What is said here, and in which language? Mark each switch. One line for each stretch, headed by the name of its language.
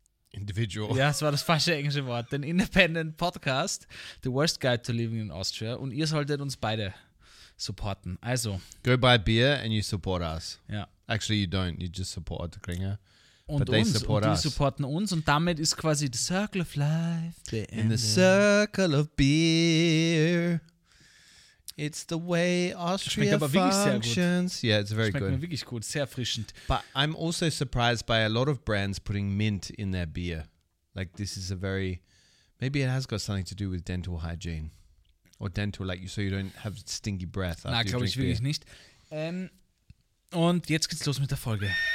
German: Individual. Ja, das war das falsche englische Wort. Den Independent Podcast, The Worst Guide to Living in Austria. Und ihr solltet uns beide supporten. Also.
English: Go buy beer and you support us.
German: Ja.
English: Actually, you don't. You just support the Kringer.
German: Und but uns.
English: They support
German: und die supporten uns. Und damit ist quasi
English: the circle of life
German: beendet.
English: In the circle of beer. It's the way Austria functions. Yeah, it's very good.
German: Schmeckt mir wirklich gut, sehr erfrischend.
English: But I'm also surprised by a lot of brands putting mint in their beer. Like this is a very, maybe it has got something to do with dental hygiene. Or dental, like so you don't have stinky breath after you drink beer.
German: Nein, glaube ich wirklich nicht. Und jetzt geht's los mit der Folge.